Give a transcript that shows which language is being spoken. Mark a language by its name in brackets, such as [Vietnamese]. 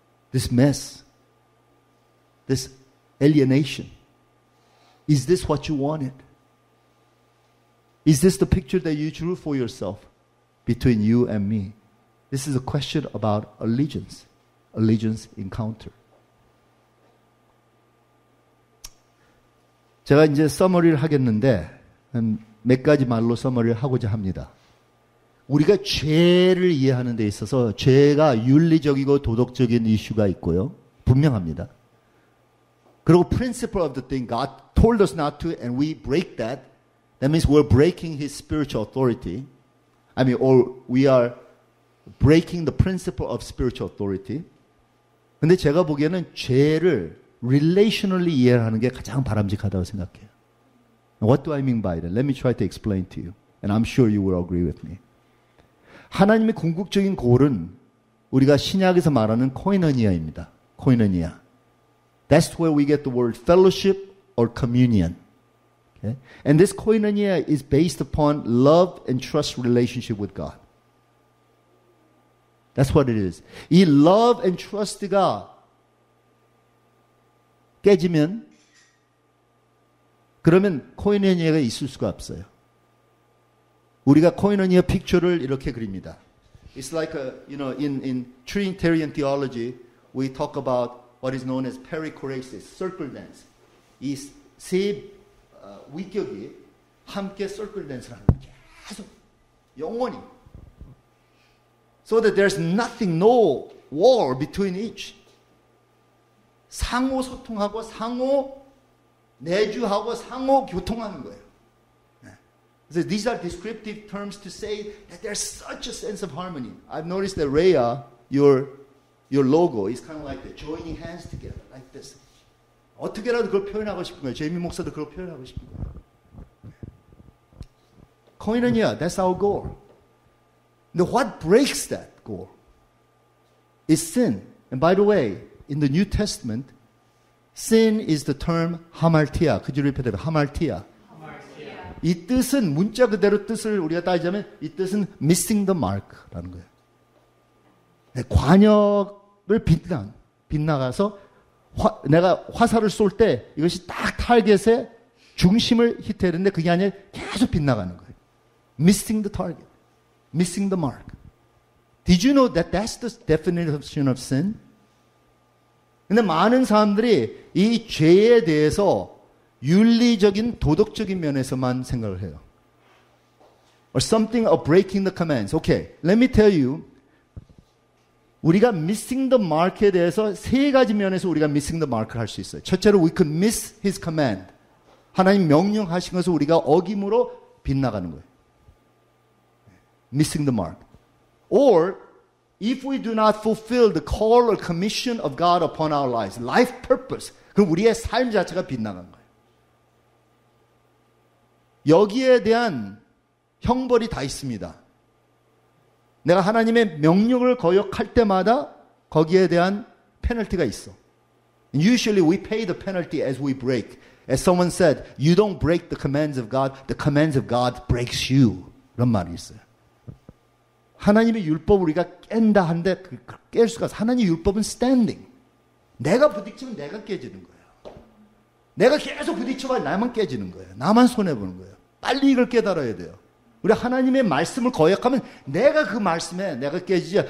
[English] This mess, this alienation, is this what you wanted? Is this the picture that you drew for yourself between you and me? This is a question about allegiance, allegiance encounter. [Korean] 제가 이제 서머리를 하겠는데 몇 가지 말로 서머리를 하고자 합니다. 우리가 죄를 이해하는 데 있어서 죄가 윤리적이고 도덕적인 이슈가 있고요. 분명합니다. 그리고 [English] principle of the thing, God told us not to and we break that. That means we're breaking his spiritual authority. I mean, or we are breaking the principle of spiritual authority. [Korean] 근데 제가 보기에는 죄를 relationally 이해하는 게 가장 바람직하다고 생각해요. [English] What do I mean by that? Let me try to explain to you. And I'm sure you will agree with me. [Korean] 하나님의 궁극적인 골은 우리가 신약에서 말하는 코이노니아입니다. 코이노니아. [English] That's where we get the word fellowship or communion. Okay? And this koinonia is based upon love and trust relationship with God. That's what it is. [Korean] 이 [English] love and trust [Korean] 가 깨지면 그러면 코이노니아가 있을 수가 없어요. 우리가 코이노니아 픽처를 이렇게 그립니다. [English] It's like a, you know, in Trinitarian theology, we talk about what is known as perichoresis, circle dance. [Korean] 이 세 위격이 함께 circle dance를 하는 거예요. 계속 영원히. [English] So that there's nothing, no wall between each. [Korean] 상호 소통하고 상호 내주하고 상호 교통하는 거예요. [English] So these are descriptive terms to say that there's such a sense of harmony. I've noticed that Rhea, your logo is kind of like the joining hands together, like this. [Korean] 어떻게라도 그걸 표현하고 싶은 거예요. 제이미 목사도 그걸 표현하고 싶은 거예요. [English] Koinonia, that's our goal. Now what breaks that goal is sin. And by the way, in the New Testament, sin is the term hamartia. Could you repeat that? [Korean] Hamartia. 이 뜻은 문자 그대로 뜻을 우리가 따지자면 이 뜻은 [English] missing the mark [Korean] 라는 거예요. 네, 관역을 빗나가서 내가 화살을 쏠 때 이것이 딱 타겟에 중심을 히트해야 되는데 그게 아니라 계속 빗나가는 거예요. [English] Missing the target. Missing the mark. Did you know that that's the definition of sin? [Korean] 근데 많은 사람들이 이 죄에 대해서 윤리적인 도덕적인 면에서만 생각을 해요. [English] Or something of breaking the commands. Okay, let me tell you. [Korean] 우리가 missing the mark에 대해서 세 가지 면에서 우리가 missing the mark을 할 수 있어요. 첫째로 [English] we could miss his command. [Korean] 하나님 명령하신 것을 우리가 어김으로 빗나가는 거예요. [English] Missing the mark. Or if we do not fulfill the call or commission of God upon our lives, life purpose, [Korean] 그럼 우리의 삶 자체가 빗나가는 거예요. 여기에 대한 형벌이 다 있습니다. 내가 하나님의 명령을 거역할 때마다 거기에 대한 페널티가 있어. [English] Usually we pay the penalty as we break. As someone said, you don't break the commands of God breaks you. [Korean] 이런 말이 있어요. 하나님의 율법 우리가 깬다 한데 깰 수가 없어. 하나님의 율법은 standing. 내가 부딪히면 내가 깨지는 거예요. 내가 계속 부딪혀봐야 나만 깨지는 거예요. 나만 손해보는 거예요. 빨리 이걸 깨달아야 돼요. 우리 하나님의 말씀을 거역하면 내가 그 말씀에 내가 깨지지.